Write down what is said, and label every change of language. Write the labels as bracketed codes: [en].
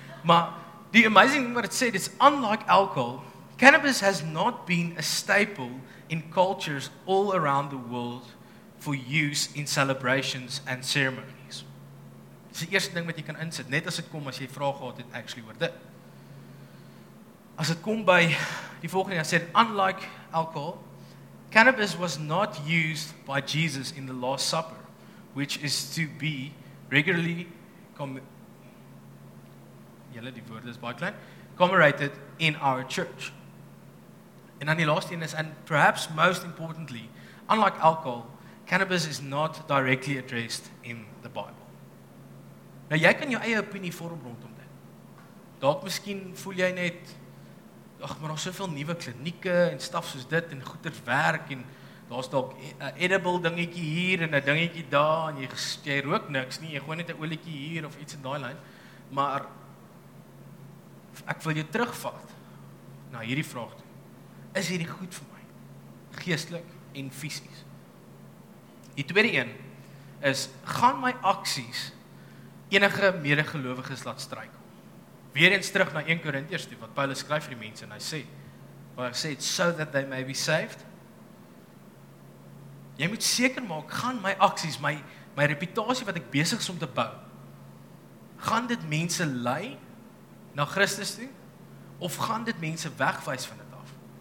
[af] Maar die [en] amazing thing [af] wat het sê, is [en] unlike alcohol, cannabis has not been a staple in cultures all around the world for use in celebrations and ceremonies. [af] Dit is die eerste ding wat jy kan insit, net as dit kom, as jy vraag gehad het, actually oor dit. As dit kom by die volgende, hy sê, [en] unlike alcohol, cannabis was not used by Jesus in the Last Supper, which is to be regularly commemorated in our church. [af] En dan die laaste is, [en] and perhaps most importantly, unlike alcohol, cannabis is not directly addressed in the Bible. [af] Nou, jy kan jou eie opinie vorm rondom dit. Dalk miskien voel jy net, ach, maar daar is soveel nuwe klinieke en staf soos dit, en goeders werk, en daar is dalk edible dingetjie hier, en 'n dingetjie daar, en jy rook niks nie, jy gooi net 'n olietjie hier, of iets in die lyn, maar ek wil jou terugvat na hierdie vraag toe. Is hierdie goed vir my? Geestelik en fisies. Die tweede een is, gaan my aksies enige medegelowiges laat struikel? Weer eens terug na 1 Korintiërs toe, wat Paulus skryf vir die mense, en hy sê, waar hy sê, [en] so that they may be saved. [af] Jy moet seker maak, gaan my aksies, my reputasie wat ek besig is om te bou, gaan dit mense lei na Christus toe, of gaan dit mense wegwys van dit af?